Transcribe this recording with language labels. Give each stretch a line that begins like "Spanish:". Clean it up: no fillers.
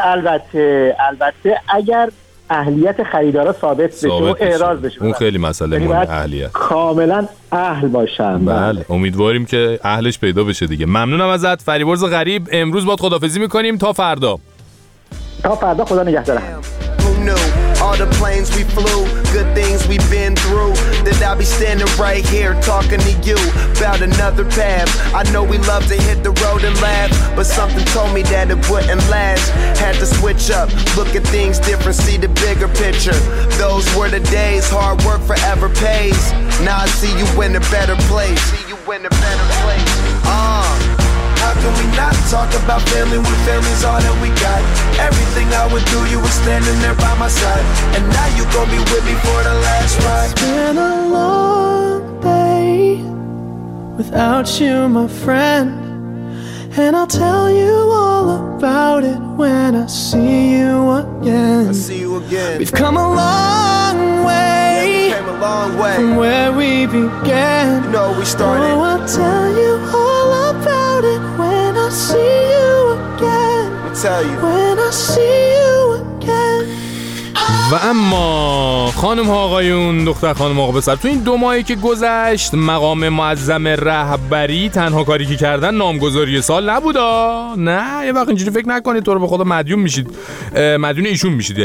Persian: البته البته اگر اهلیت خریدارا ثابت بشه و اعراض بشه، اون خیلی مسئله مهمه، اهلیت کاملا اهل باشن. بله امیدواریم که اهلش پیدا بشه دیگه. ممنونم ازت فریبرز غریب، امروز باهات خدافظی میکنیم، تا فردا. تا فردا، خدا نگهدارم.
English: All the planes we flew, good things we've been through. Then I'll be standing right here talking to you about another path. I know we love to hit the road and laugh, but something told me that it wouldn't last. Had to switch up, look at things different, see the bigger picture. Those were the days, hard work forever pays. Now I see you in a better place. See you in a better place. How can we not talk about family when family's all that we got? Everything I would do, you were standing there by my side. And now you gon' be with me for the last ride. It's been a long day without you, my friend. And I'll tell you all about it when I see you again. I see you again. We've come a long way, yeah, we came a long way from where we began. You know we started. Oh, I'll tell you all about it when I see you again. I'll tell you. When I see you again.
Persian: و اما خانم ها آقایون، دختر خانم آقا پسر، تو این دو ماهی که گذشت مقام معظم رهبری تنها کاری که کردن نامگذاری سال نبودا. نه یه وقت اینجوری فکر نکنید، تو رو به خدا مدیون میشید، مدیون ایشون میشید.